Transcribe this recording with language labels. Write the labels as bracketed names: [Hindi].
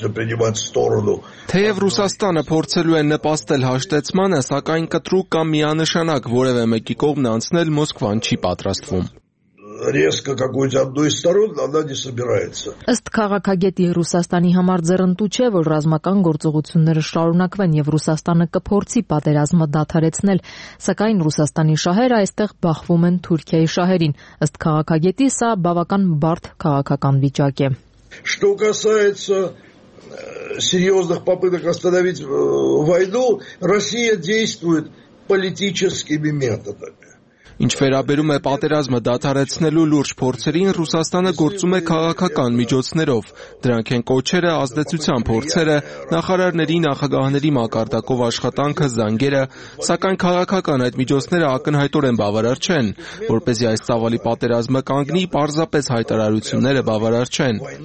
[Armenian] Թեև Ռուսաստանը փորձելու է նպաստել հաշտեցմանը, սակայն կտրուկ կամ միանշանակ որևէ մեկի կողմն անցնել Մոսկվան չի պատրաստվում։ [Russian] Резко какой-то одной из сторон она не собирается. [Armenian] Ըստ քաղաքագետի Ռուսաստանի համար ձեռնտու չէ, որ ռազմական գործողությունները շարունակվեն եւ Ռուսաստանը կփորձի պատերազմը դադարեցնել, սակայն Ռուսաստանի շահերը այստեղ բախվում են Թուրքիայի շահերին։ Ըստ քաղաքագետի սա բավական բարդ քաղաքական վիճակ է։ [Russian] Что касается серьёзных попыток остановить войну, Россия действует политическими методами. [Armenian] Ինչ վերաբերում է պատերազմը դադարեցնելու լուրջ փորձերին, Ռուսաստանը գործում է քաղաքական միջոցներով։ Դրանք են կոչերը, ազդեցության փորձերը, նախարարների, նախագահների մակարդակով աշխատանքը, զանգերը, սակայն քաղաքական այդ միջոցները ակնհայտորեն բավարար չեն, որպեսզի այս ցավալի պատերազմը կանգնի, պարզապես հայտարարությունները բավարար չեն։